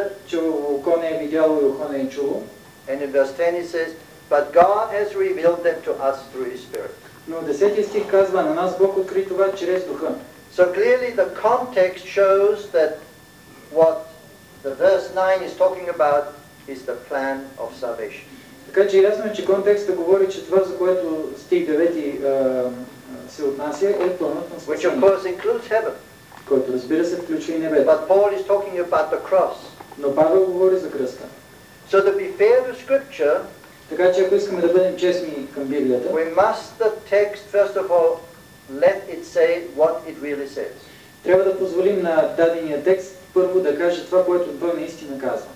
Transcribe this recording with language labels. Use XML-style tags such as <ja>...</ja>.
<en>Ear has not seen, ear has not heard. And in verse 10 he says, but God has revealed them to us through His Spirit.</en> <bg>Но 10 стих казва, на нас Бог откри това чрез Духа.</bg> <en>So clearly the context shows that what the verse 9 is talking about is the plan of salvation.</en> <bg>Така че ясно е, че контекстът говори, че това, за което стих 9 се отнася, е планът на спасение.</bg> <en>Which of course includes heaven.</en> <bg>Който разбира се включва и небето.</bg> <en>But Paul is talking about the cross.</en> <bg>Но Павел говори за кръста.</bg> <en>So to be fair to scripture,</en> <bg>така че ако искаме да бъдем честни към Библията,</bg> <en>we must the text first of all let it say what it really says.</en> <bg>Трябва да позволим на дадения текст първо да каже това, което той наистина казва.</bg>